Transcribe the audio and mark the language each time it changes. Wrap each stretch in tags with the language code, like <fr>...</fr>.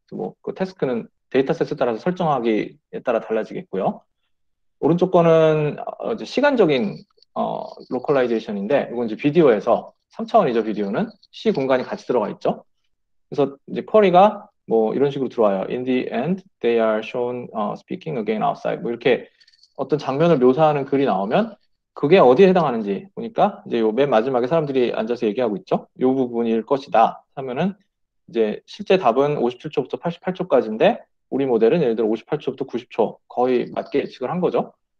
<ko>뭐그 태스크는 데이터셋에 따라서 설정하기에 따라 달라지겠고요. 오른쪽 거는 이제 시간적인 로컬라이제이션인데, 이건 이제 비디오에서 3차원이죠. 비디오는 시 공간이 같이 들어가 있죠. 그래서 이제 쿼리가 뭐 이런 식으로 들어와요.</ko> <en>In the end, they are shown speaking again outside.</en> <ko>뭐 이렇게 어떤 장면을 묘사하는 글이 나오면 그게 어디에 해당하는지 보니까 이제 요맨 마지막에 사람들이 앉아서 얘기하고 있죠. 요 부분일 것이다 하면은 이제 실제 답은 57초부터 88초까지인데, 우리 모델은 예를 들어 58초부터 90초 거의 맞게 예측을 한 거죠.</ko>